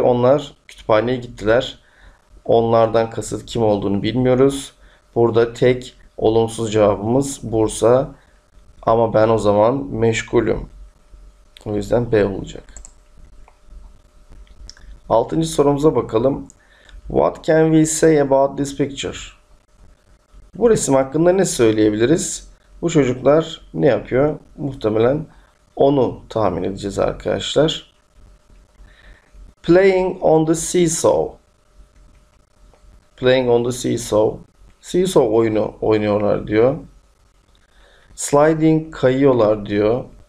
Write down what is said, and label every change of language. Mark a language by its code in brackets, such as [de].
[tr] Onlar kütüphaneye gittiler. Onlardan kasıt kim olduğunu bilmiyoruz. Burada tek olumsuz cevabımız Bursa. Ama ben o zaman meşgulüm. O yüzden B olacak. Altıncı sorumuza bakalım. [en] What can we say about this picture? [tr] Bu resim hakkında ne söyleyebiliriz? Bu çocuklar ne yapıyor? Muhtemelen onu tahmin edeceğiz arkadaşlar. [en] Playing on the seesaw. Playing on the seesaw. [tr] Seesaw oyunu oynuyorlar diyor. Sliding kayıyorlar diyor.